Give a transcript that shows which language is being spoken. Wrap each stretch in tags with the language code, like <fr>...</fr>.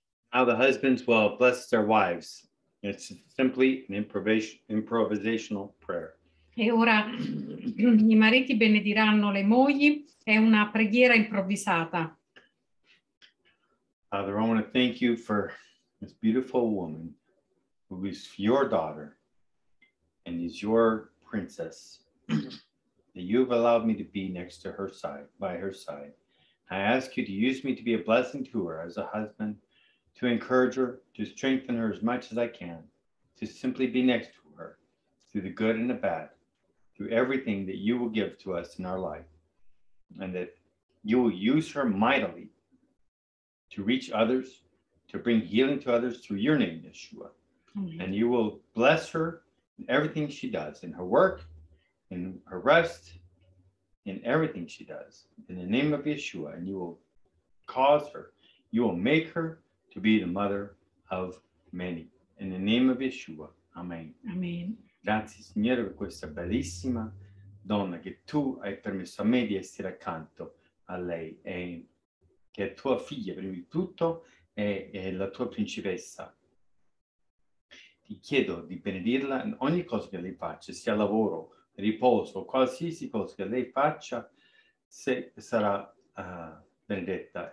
<en>How the husbands will bless their wives. It's simply an improvisational prayer.</en> <it>E ora i mariti benediranno le mogli, è una preghiera improvvisata.</it> <en>Father, I want to thank you for this beautiful woman who is your daughter and is your princess that you've allowed me to be next to her side, by her side. I ask you to use me to be a blessing to her as a husband, to encourage her, to strengthen her as much as I can, to simply be next to her through the good and the bad, through everything that you will give to us in our life, and that you will use her mightily to reach others, to bring healing to others through your name, Yeshua. Mm-hmm. And you will bless her in everything she does, in her work, in her rest, in everything she does, in the name of Yeshua. And you will cause her, you will make her to be the mother of many. In the name of Yeshua. Amen. Amen.</en> <it>Grazie, Signore, per questa bellissima donna che tu hai permesso a me di essere accanto a lei. E che è tua figlia, prima di tutto, è la tua principessa. Ti chiedo di benedirla in ogni cosa che lei faccia, sia lavoro, riposo, qualsiasi cosa che lei faccia, se sarà benedetta.</it>